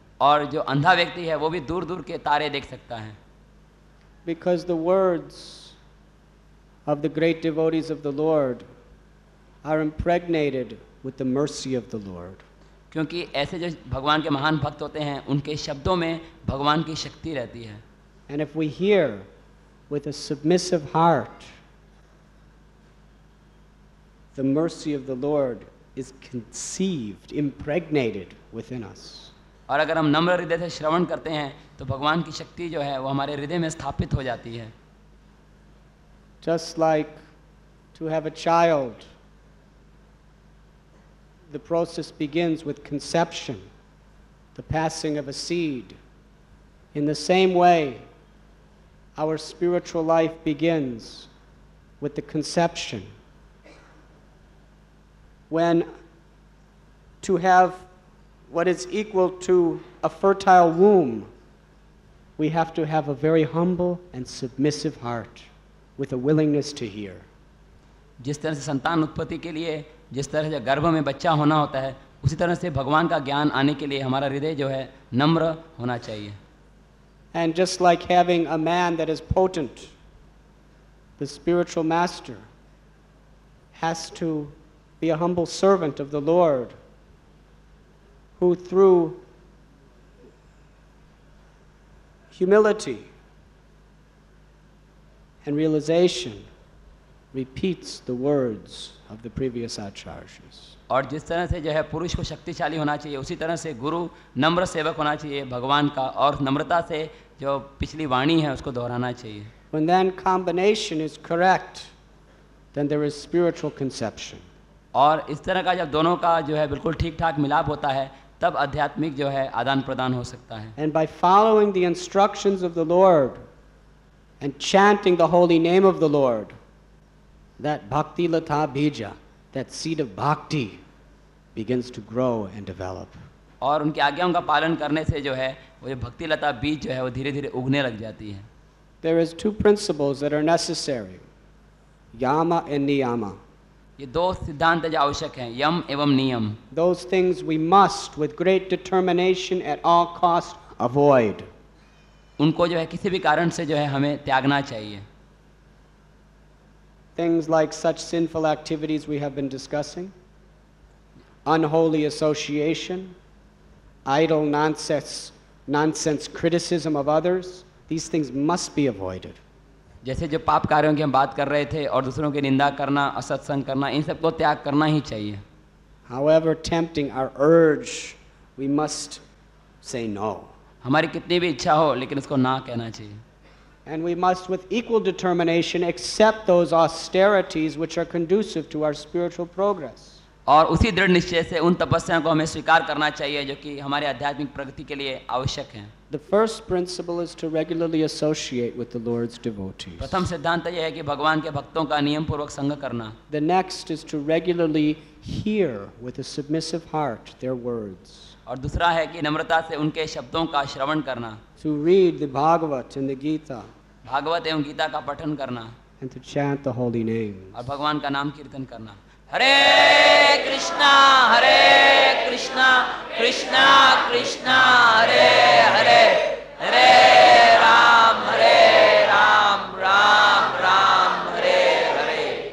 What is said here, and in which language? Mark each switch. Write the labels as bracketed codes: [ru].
[hi] और जो अंधा व्यक्ति है वो भी दूर दूर के तारे देख सकता है. [en] Because the words of the great devotees of the lord are impregnated with the mercy of the Lord. [hi] क्योंकि ऐसे जो भगवान के महान भक्त होते हैं उनके शब्दों में भगवान की शक्ति रहती है. [en] And if we hear with a submissive heart, the mercy of the Lord is conceived, impregnated within us. [hi] और अगर हम नम्र हृदय से श्रवण करते हैं तो भगवान की शक्ति जो है वो हमारे हृदय में स्थापित हो जाती है. [en] Just like to have a child, the process begins with conception, the passing of a seed. In the same way, our spiritual life begins with the conception. When to have what is equal to a fertile womb, we have to have a very humble and submissive heart with a willingness to hear. [hi] जिस तरह से संतान उत्पत्ति के लिए, जिस तरह से गर्भ में बच्चा होना होता है, उसी तरह से भगवान का ज्ञान आने के लिए हमारा हृदय जो है नम्र होना चाहिए. [en] And just like having a man that is potent, the spiritual master has to be a humble servant of the Lord, who through humility and realization repeats the words of the previous acharyas. [hi] और जिस तरह से जो है पुरुष को शक्तिशाली होना चाहिए, उसी तरह से गुरु नम्र सेवक होना चाहिए भगवान का, और नम्रता से जो पिछली वाणी है उसको दोहराना चाहिए. [en] When that combination is correct, then there is spiritual conception. [hi] और इस तरह का जब दोनों का जो है बिल्कुल ठीक ठाक मिलाप होता है, तब आध्यात्मिक जो है आदान प्रदान हो सकता है. [en] And by following the instructions of the Lord and chanting the holy name of the Lord, that bhakti lata bija, that seed of bhakti begins to grow and develop. [hi] और उनकी आज्ञाओं का पालन करने से जो है वो जो भक्ति लता बीज जो है वो धीरे धीरे उगने लग जाती है. [en] There is two principles that are necessary, yama and niyama. [hi] ये दो सिद्धांत जो आवश्यक हैं, यम एवं नियम. [en] Those things we must with great determination at all cost avoid. [hi] उनको जो है किसी भी कारण से जो है हमें त्यागना चाहिए. [en] Things like such sinful activities we have been discussing, unholy association, idle nonsense criticism of others, these things must be avoided. [hi] जैसे जो पाप कार्यों की हम बात कर रहे थे, और दूसरों की निंदा करना, असत्संग करना, इन सबको त्याग करना ही चाहिए. [en] However tempting our urge, we must say no. [hi] हमारी कितनी भी इच्छा हो लेकिन उसको ना कहना चाहिए. [en] And we must with equal determination accept those austerities which are conducive to our spiritual progress. [hi] और उसी दृढ़ निश्चय से उन तपस्याओं को हमें स्वीकार करना चाहिए जो कि हमारे आध्यात्मिक प्रगति के लिए आवश्यक हैं. [en] The first principle is to regularly associate with the Lord's devotees. [hi] प्रथम सिद्धांत यह है कि भगवान के भक्तों का नियम पूर्वक संग करना. [en] The next is to regularly hear with a submissive heart their words. [hi] और दूसरा है कि नम्रता से उनके शब्दों का श्रवण करना. [en] To read the Bhagavat and the Gita. [hi] Bhagavat एवं गीता का पठन करना. [en] And to chant the holy names. [hi] और भगवान का नाम कीर्तन करना. [sa] हरे कृष्णा कृष्णा कृष्णा हरे हरे, हरे राम हरे राम राम राम हरे हरे.